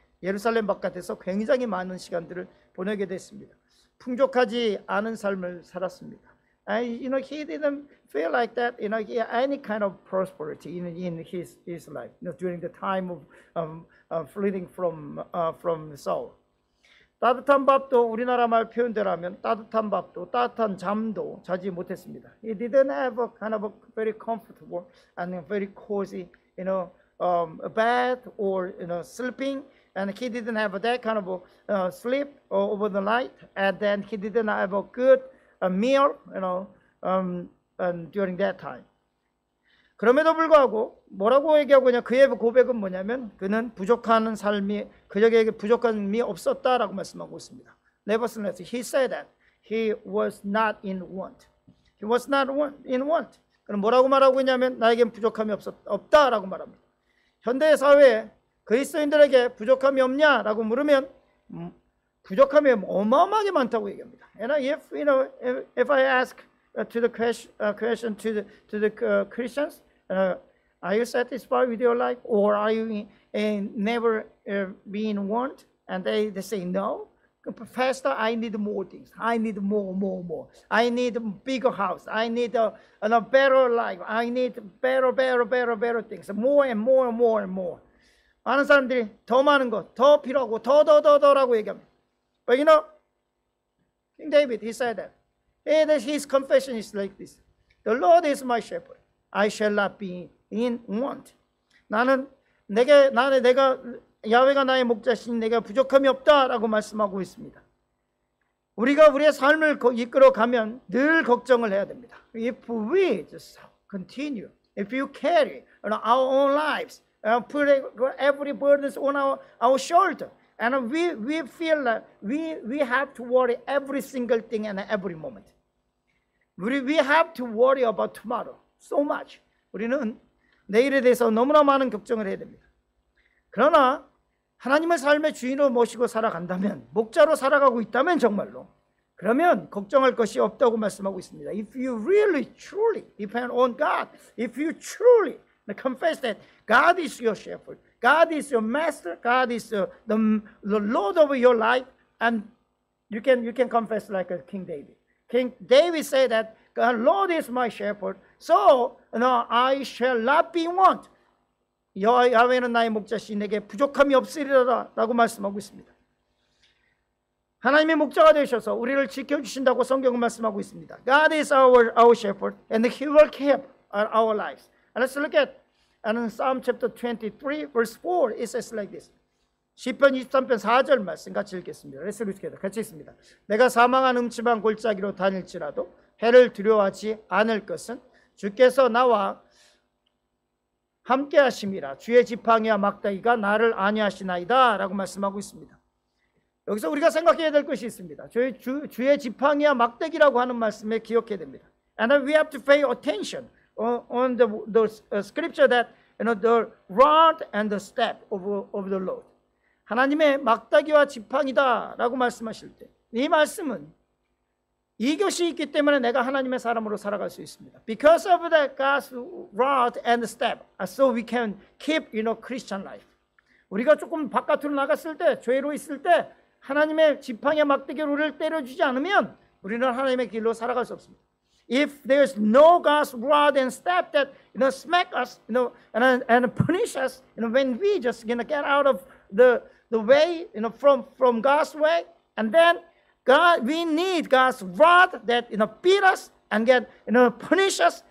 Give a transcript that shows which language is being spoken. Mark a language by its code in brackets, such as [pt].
[ko] 예루살렘 바깥에서 굉장히 많은 시간들을 보내게 됐습니다. 풍족하지 않은 삶을 살았습니다. [en] And you know, he didn't feel like that, you know, he had any kind of prosperity in his life, you know, during the time of fleeing from Saul. [ko] 따뜻한 밥도 우리나라 말 표현대로면 따뜻한 밥도 따뜻한 잠도 자지 못했습니다. [en] He didn't have a kind of a very comfortable and a very cozy, you know, a bed or you know sleeping, and he didn't have that kind of a sleep over the night, and then he didn't have a good meal, you know, during that time. [ko] 그럼에도 불구하고 뭐라고 얘기하고냐 그의 고백은 뭐냐면 그는 부족한 삶이 그에게 부족한 삶이 없었다라고 말씀하고 있습니다. [en] Nevertheless, he said that he was not in want. He was not in want. [ko] 그럼 뭐라고 말하고 있냐면 나에게는 부족함이 없다라고 말합니다. 현대 사회에 그리스도인들에게 부족함이 없냐라고 물으면 부족함이 어마어마하게 많다고 얘기합니다. [en] And if you know if I ask to the question to the Christians, are you satisfied with your life, or are you never being want? And they say no. Pastor, I need more things. I need more. I need a bigger house. I need a better life. I need better things. More. [ko] 많은 사람들이 더 많은 것, 더 필요하고 더라고 얘기합니다. [en] But you know, King David, he said that. And his confession is like this. The Lord is my shepherd. I shall not be in want. [ko] 나는 내게 나는 내가 야훼가 나의 목자신 내가 부족함이 없다라고 말씀하고 있습니다. 우리가 우리의 삶을 이끌어 가면 늘 걱정을 해야 됩니다. [en] If we just continue, if you carry our own lives and put every burdens on our shoulder and we feel that we have to worry every single thing and every moment. We have to worry about tomorrow so much. [ko] 우리는 내일에 대해서 너무나 많은 걱정을 해야 됩니다. 그러나 하나님을 삶의 주인으로 모시고 살아간다면, 목자로 살아가고 있다면 정말로, 그러면 걱정할 것이 없다고 말씀하고 있습니다. [en] If you really, truly depend on God, if you truly confess that God is your shepherd, God is your master, God is the Lord of your life, and you can confess like King David. King David said that the Lord is my shepherd, so I shall not be want. [ko] 야훼는 나의 목자시니 내게 부족함이 없으리라 라고 말씀하고 있습니다. 하나님의 목자가 되셔서 우리를 지켜주신다고 성경은 말씀하고 있습니다. [en] God is our shepherd and he will keep our lives. And let's look at Psalm chapter 23 verse 4. It says like this. [ko] 시편 23편 4절 말씀 같이 읽겠습니다. [en] Let's read together. [ko] 같이 읽습니다. 내가 사망한 음침한 골짜기로 다닐지라도 해를 두려워하지 않을 것은 주께서 나와 함께 하심이라 주의 지팡이와 막대기가 나를 안위하시나이다 라고 말씀하고 있습니다. 여기서 우리가 생각해야 될 것이 있습니다. 주의 지팡이와 막대기라고 하는 말씀에 기억해야 됩니다. [en] And we have to pay attention on the scripture that the rod and the staff of the Lord. [ko] 하나님의 막대기와 지팡이다 라고 말씀하실 때 이 말씀은 이것이 있기 때문에 내가 하나님의 사람으로 살아갈 수 있습니다. [en] Because of that God's rod and staff, so we can keep, you know, Christian life. [ko] 우리가 조금 바깥으로 나갔을 때, 죄로 있을 때, 하나님의 지팡이와 막대기로 우리를 때려주지 않으면 우리는 하나님의 길로 살아갈 수 없습니다. [en] If there is no God's rod and staff that, you know, smack us, you know, and punish us, you know, when we just, you know, get out of the way, you know, from God's way, and then God, we need God's rod that, you know, beat us and get, you know, punish us.